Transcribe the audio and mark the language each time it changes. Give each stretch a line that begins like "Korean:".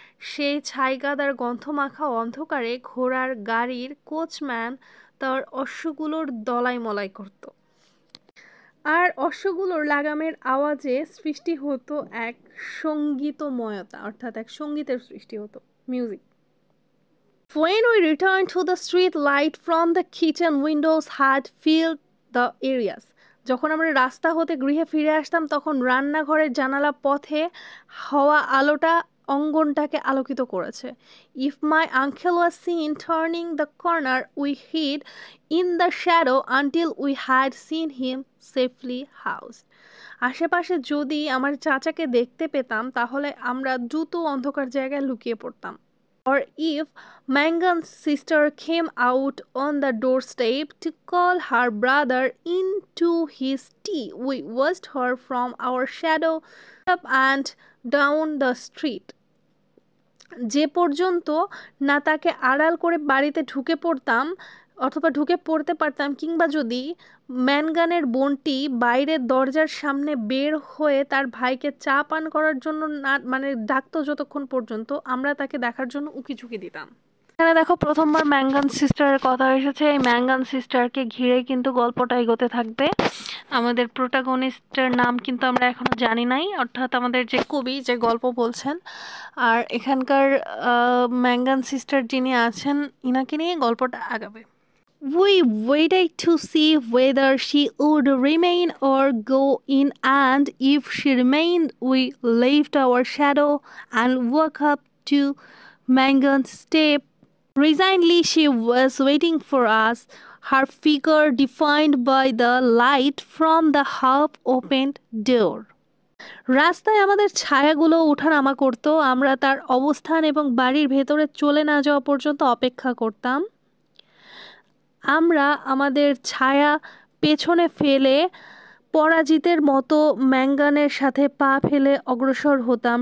Bangla: সেই ছাই গাদার গন্ধ মাখা অন্ধকারে ঘোড়ার গাড়ির কোচম্যান তার অশ্বগুলোর দলাই মলাই করত, আর অশ্বগুলোর লাগামের আওয়াজে সৃষ্টি হতো এক সঙ্গীতময়তা, অর্থাৎ এক সঙ্গীতের সৃষ্টি হতো, music.
English: When we returned to the street light from the kitchen windows had filled the areas.
Bangla: যখন আমরা রাস্তা হতে গৃহে ফিরে আসতাম তখন রান্নাঘরের জানালা পথে হওয়া আলোটা অঙ্গনটাকে আলোকিত করেছে।
English: If my uncle was seen turning the corner, we hid in the shadow until we had seen him safely housed.
Bangla: আশেপাশে যদি আমার চাচাকে দেখতে পেতাম তাহলে আমরা দ্রুত অন্ধকার জায়গায় লুকিয়ে পড়তাম।
English: Or if Mangan's sister came out on the doorstep to call her brother into his tea, we watched her from our shadow up and down the street.
Bangla: যে পর্যন্ত না তাকে আড়াল করে বাড়িতে ঢুকে পড়তাম অথবা ঢুকে পড়তে পারতাম, কিংবা যদি ম্যানগানের বোনটি বাইরের দরজার সামনে বের হয়ে তার ভাইকে চা পান করার জন্য না মানে ডাকতো যতক্ষণ পর্যন্ত, আমরা তাকে দেখার জন্য উঁকি ঝুঁকি দিতাম। এখানে দেখো প্রথমবার ম্যাঙ্গান সিস্টারের কথা এসেছে। এই ম্যাঙ্গান সিস্টারকে ঘিরে কিন্তু গল্পটা এগোতে থাকবে। আমাদের প্রোটাগনিস্টের নাম কিন্তু আমরা এখনও জানি নাই, অর্থাৎ আমাদের যে কবি যে গল্প বলছেন, আর এখানকার ম্যাঙ্গান সিস্টার যিনি আছেন ইনাকে নিয়ে গল্পটা আগাবে।
English: We waited to see whether she would remain or go in, and if she remained, we left our shadow and woke up to Mangan's step. Resignedly, she was waiting for us, her figure defined by the light from the half-opened door.
Bangla: রাস্তায় আমাদের ছায়াগুলো উঠানামা করত, আমরা তার অবস্থান এবং বাড়ির ভেতরে চলে না যাওয়া পর্যন্ত অপেক্ষা করতাম। আমরা আমাদের ছায়া পেছনে ফেলে পরাজিতের মতো ম্যাঙ্গানের সাথে পা ফেলে অগ্রসর হতাম।